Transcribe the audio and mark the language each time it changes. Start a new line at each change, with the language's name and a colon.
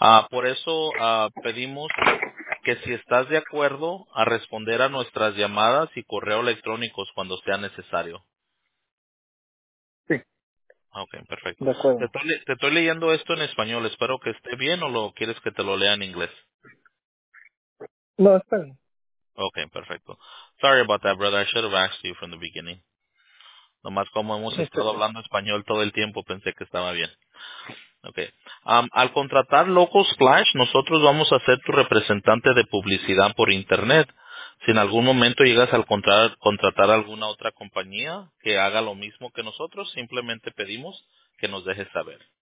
Spanish: Por eso pedimos que si estás de acuerdo a responder a nuestras llamadas y correo electrónicos cuando sea necesario. Sí. Okay, perfecto. De acuerdo. Te estoy leyendo esto en español. Espero que esté bien o lo quieres que te lo lea en inglés. No, está bien. Okay, perfecto.
English: Sorry about that, brother. I should have asked you from the beginning.
Spanish: Nomás como hemos estado hablando español todo el tiempo, pensé que estaba bien. Okay. Al contratar Local Splash, nosotros vamos a ser tu representante de publicidad por internet. Si en algún momento llegas a contratar alguna otra compañía que haga lo mismo que nosotros, simplemente pedimos que nos dejes saber.